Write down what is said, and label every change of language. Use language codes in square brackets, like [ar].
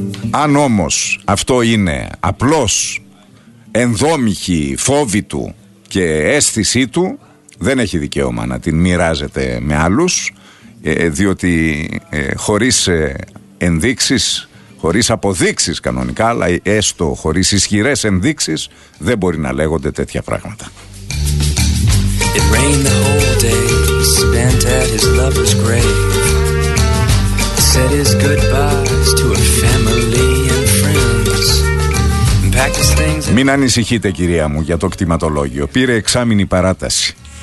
[el] Αν όμως αυτό είναι απλώς ενδόμηχη φόβη του και αίσθησή του, δεν έχει δικαίωμα να την μοιράζεται με άλλους, διότι χωρίς ενδείξεις, χωρίς αποδείξεις κανονικά, αλλά έστω χωρίς ισχυρές ενδείξεις, δεν μπορεί να λέγονται τέτοια πράγματα. [en] It rained the whole day, spent at his lover's grave. Said his goodbyes to a family and friends. Packed his things. [el] Μην ανησυχείτε, κυρία μου, για το κτηματολόγιο. Πήρε εξάμηνη παράταση.